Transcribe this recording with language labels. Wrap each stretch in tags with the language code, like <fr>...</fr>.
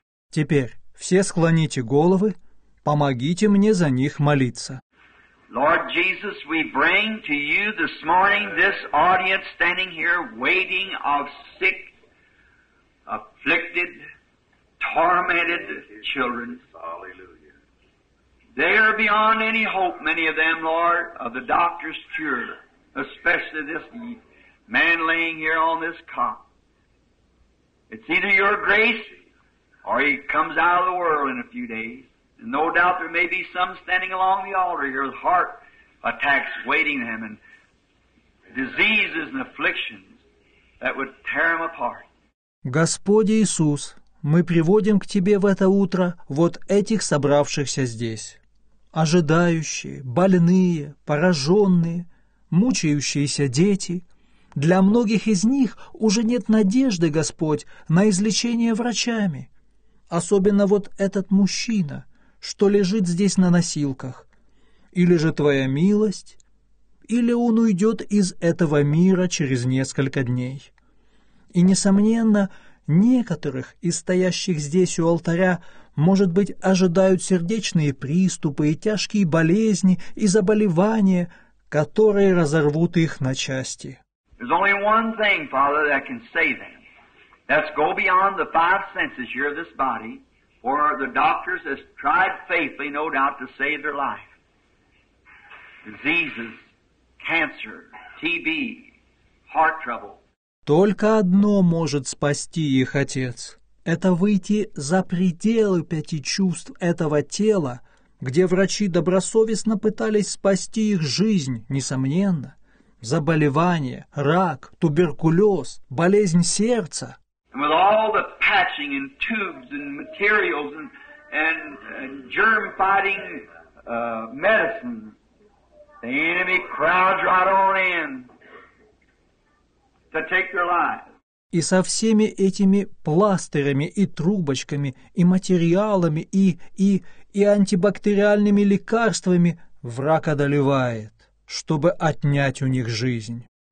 <ru>Теперь все склоните головы, помогите мне за них молиться.</ru> <en>Lord Jesus, we bring to you this morning this audience standing here waiting of sick, afflicted, tormented children. Hallelujah. They are beyond any hope, many of them, Lord, of the doctor's cure, especially this man laying here on this cot. It's either your grace or he comes out of the world in a few days. And no doubt there may be some standing along the altar here with heart attacks waiting them and diseases and afflictions that would tear them apart.</en> <ru>Господи Иисус, мы приводим к Тебе в это утро вот этих собравшихся здесь. Ожидающие, больные, пораженные, мучающиеся дети. Для многих из них уже нет надежды, Господь, на излечение врачами. Особенно вот этот мужчина, что лежит здесь на носилках. Или же Твоя милость, или он уйдет из этого мира через несколько дней. И, несомненно, некоторых из стоящих здесь у алтаря, может быть, ожидают сердечные приступы и тяжкие болезни и заболевания, которые разорвут их на части.</ru> <en>There's only one thing, Father, that can save them. That's go beyond the five senses here of this body, for the doctors have tried faithfully, no doubt, to save their life. Diseases, cancer, TB, heart trouble.</en> <ru>Только одно может спасти их, Отец. Это выйти за пределы пяти чувств этого тела, где врачи добросовестно пытались спасти их жизнь, несомненно. Заболевание, рак, туберкулез, болезнь сердца.</ru> <en>And with all the patching and tubes and materials and germ-fighting medicine, the enemy crowds right on in. To take their</en> <ru>и со всеми этими пластырями и трубочками, и материалами, и антибактериальными лекарствами враг одолевает, чтобы отнять у них жизнь.</ru>